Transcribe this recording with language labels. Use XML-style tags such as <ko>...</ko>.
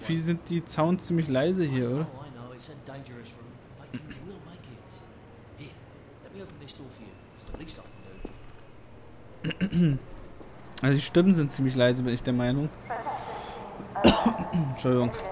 <de>Wie sind die Zaunen ziemlich leise hier, oder?</de> <en>I know, it's a dangerous room, but you will make it. Here, let me open this door for you. It's the least I can do.</en> <de>Also die Stimmen sind ziemlich leise, bin ich der Meinung. Entschuldigung.</de>